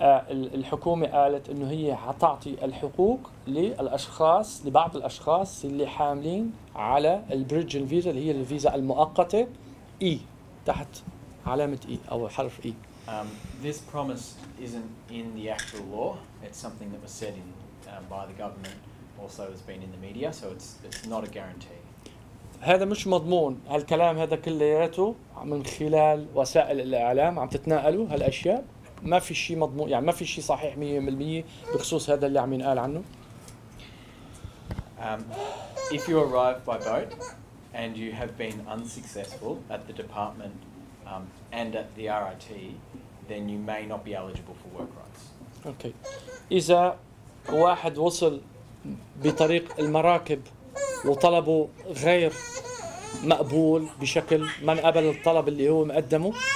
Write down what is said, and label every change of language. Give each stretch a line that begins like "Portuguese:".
Arabic: الحكومة قالت إنه هي هتعطي الحقوق للأشخاص لبعض الأشخاص اللي حاملين على البريدجن فيزا اللي هي الفيزا المؤقتة E تحت علامة E أو حرف E.
English: This promise isn't in the actual law. It's something that was said in by the government. Also, it's been in the media, so it's not a guarantee.
Arabic: هذا مش مضمون هالكلام هذا كلياته من خلال وسائل الإعلام عم تتناقلوا هالأشياء ما في شيء مضمون يعني ما في شيء صحيح 100% بخصوص هذا اللي عم ينقال عنه.
English: If you arrive by boat and you have been unsuccessful at the department and at the RIT, then you may not be eligible for work rights. Okay.
Arabic: إذا واحد وصل بطريق المراكب وطلبه غير مقبول بشكل من قبل الطلب اللي هو مقدمه.